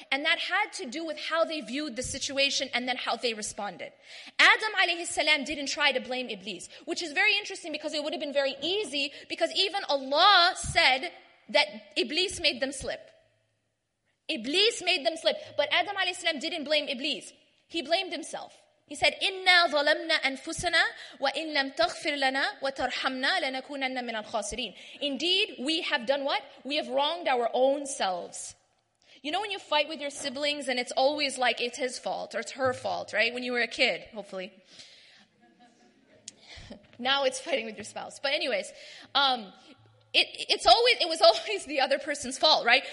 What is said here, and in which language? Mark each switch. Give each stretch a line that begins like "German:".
English: And that had to do with how they viewed the situation and then how they responded. Adam alayhi salam didn't try to blame Iblis. Which is very interesting because it would have been very easy because even Allah said that Iblis made them slip. Iblis made them slip. But Adam alayhi salam didn't blame Iblis. He blamed himself. He said,
Arabic: إِنَّا ظَلَمْنَا أَنفُسَنَا وَإِنْ لَمْ تَغْفِرْ لَنَا وَتَرْحَمْنَا لَنَكُونَنَّ مِنَ الْخَاسِرِينَ.
English: Indeed, we have done what? We have wronged our own selves. You know when you fight with your siblings and it's always like it's his fault or it's her fault, right? When you were a kid, hopefully. Now it's fighting with your spouse. But anyways, it was always the other person's fault, right?